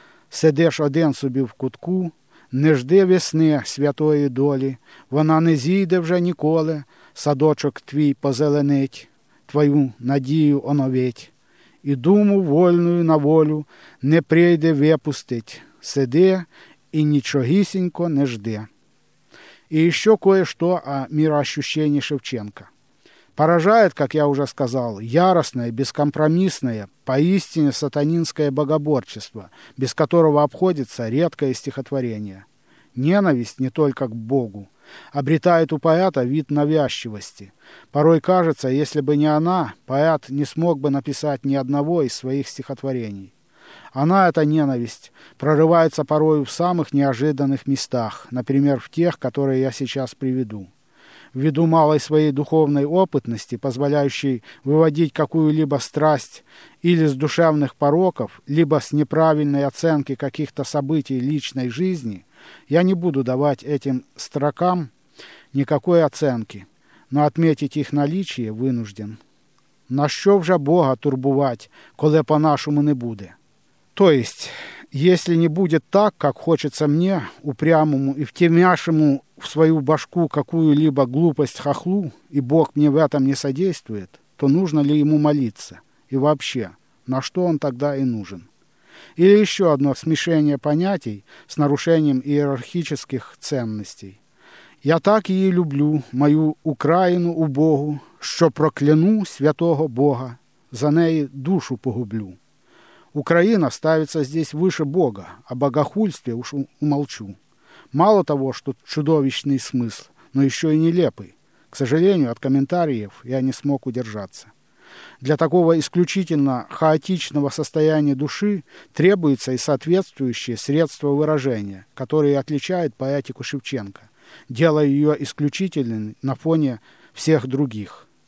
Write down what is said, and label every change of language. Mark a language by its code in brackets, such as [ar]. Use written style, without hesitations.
[uk] Сидиш один собі в кутку, не жди весни святої долі, вона не зійде вже ніколи, садочок твій позеленить, твою надію оновить, і думу вольною на волю не прийде випустить, сиди і нічогісінько не жди». [ru] И еще кое-что о мироощущении Шевченко. Поражает, как я уже сказал, яростное, бескомпромиссное, поистине сатанинское богоборчество, без которого обходится редкое стихотворение. Ненависть не только к Богу. Обретает у поэта вид навязчивости. Порой кажется, если бы не она, поэт не смог бы написать ни одного из своих стихотворений. Она, эта ненависть, прорывается порою в самых неожиданных местах, например, в тех, которые я сейчас приведу. Ввиду малой своей духовной опытности, позволяющей выводить какую-либо страсть или с душевных пороков, либо с неправильной оценки каких-то событий личной жизни, я не буду давать этим строкам никакой оценки, но отметить их наличие вынужден. [uk] На що вже Бога турбувати, коли по-нашому не буде? [ru] То есть, если не будет так, как хочется мне, упрямому и втемяшему в свою башку какую-либо глупость хохлу, и Бог мне в этом не содействует, то нужно ли ему молиться? И вообще, на что он тогда и нужен? Или еще одно смешение понятий с нарушением иерархических ценностей. [uk] «Я так її люблю, мою Украину убогу, що прокляну святого Бога, за неї душу погублю». [ru] Украина ставится здесь выше Бога, о богохульстве уж умолчу. Мало того, что чудовищный смысл, но еще и нелепый. К сожалению, от комментариев я не смог удержаться. Для такого исключительно хаотичного состояния души требуются и соответствующие средства выражения, которые отличают поэтику Шевченко, делая ее исключительной на фоне всех других.